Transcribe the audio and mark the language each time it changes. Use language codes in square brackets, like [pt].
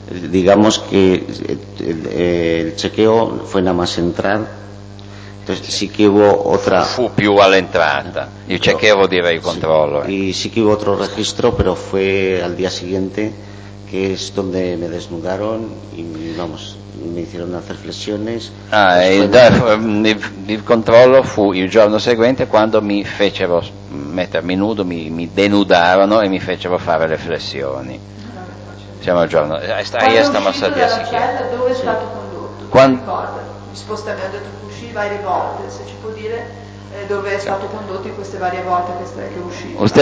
[es] Digamos que el chequeo fue nada más entrar. Entonces, sí que hubo otra... [it] Fu più all'entrata, il chequeo direi il controllo. [es] Sí. Sí que hubo otro registro, pero fue al día siguiente, que es donde me desnudaron y vamos, me hicieron hacer flexiones. [it] Ah, il controllo fu il giorno seguente quando mi fecero mettermi nudo, mi denudarono e mi fecero fare le flessioni. Siamo al giorno... Quando è uscito dalla cella, dove è stato condotto? Mi sposta, mi ha detto che uscì varie volte, se ci può dire dove è stato condotto in queste varie volte che uscì.